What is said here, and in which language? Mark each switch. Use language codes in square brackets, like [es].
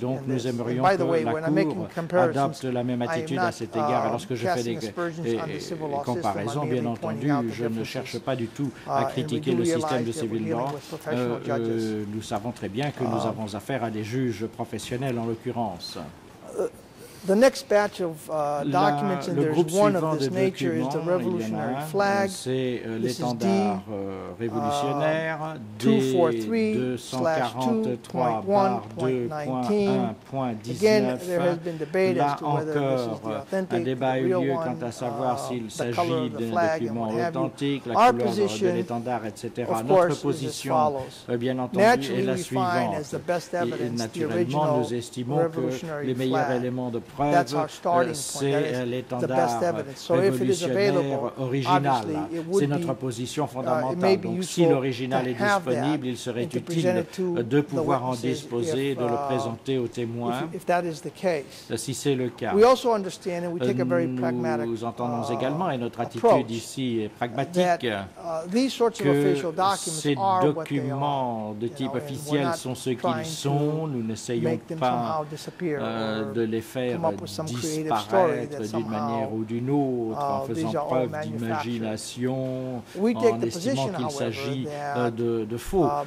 [fr] Donc nous aimerions que la Cour adopte la même attitude à cet égard. Lorsque je fais des comparaisons, bien entendu, je ne cherche pas du tout à critiquer le système de civil law. Nous savons très bien que nous avons affaire à des juges professionnels, en l'occurrence. [en] The next batch of documents, and there's one of this nature, is the Revolutionary Flag. This is D243/2.1.19. Again, there has been debate as to whether this is the authentic, the real one, the color of the flag, and what have you. Our position, of course, is as follows. Naturally, we find as the best evidence the original Revolutionary Flag. That's our starting point. That is the best evidence. So if it is available, obviously it would be. [fr] C'est notre position fondamentale. Donc si l'original est disponible, il serait utile de pouvoir en disposer, de le présenter aux témoins. [en] If that is the case, [fr] si c'est le cas, [en] we also understand and we take a very pragmatic. [fr] Nous entendons également et notre attitude ici est pragmatique. [en] These sorts of official documents are what they are. [fr] Ces documents de type officiel sont ce qu'ils sont. Nous n'essayons pas de les faire disparaître d'une manière ou d'une autre en faisant preuve d'imagination, en estimant qu'il s'agit de faux.